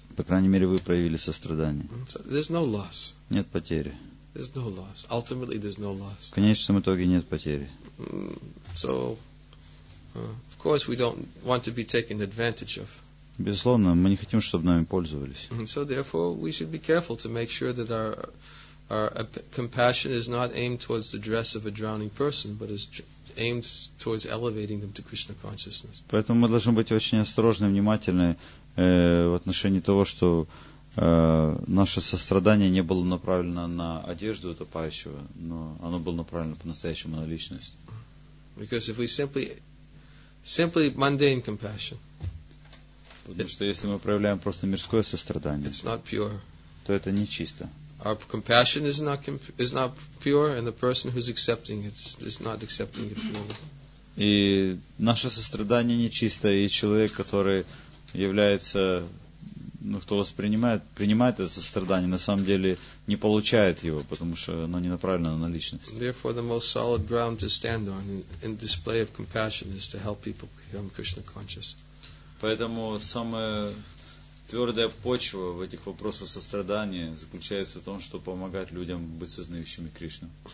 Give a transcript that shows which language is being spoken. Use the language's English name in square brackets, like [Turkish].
[Russian] По крайней мере, вы проявили сострадание. Нет потери. В конечном итоге нет потери. [English] Of course, we don't want to be taken advantage of. [Russian] Безусловно, мы не хотим, чтобы нами пользовались. Поэтому мы должны быть очень осторожны и внимательны в отношении того, что наше сострадание не было направлено на одежду утопающего, но оно было направлено по-настоящему на личность. [English] Because if we simply mundane compassion. [Russian] Потому что если мы проявляем просто мирское сострадание, [English] it's not pure. [Russian] То это не чисто. [English] Our compassion is not pure, and the person who's accepting it is not accepting it fully. [Russian] И наше сострадание не чисто, и человек, который является, ну, кто принимает это сострадание, на самом деле не получает его, потому что оно не направлено на личность. [English] Therefore, the most solid ground to stand on in display of compassion is to help people become Krishna conscious. [Russian] Поэтому самая твердая почва в этих вопросах сострадания заключается в том, что помогать людям быть сознающими Кришну.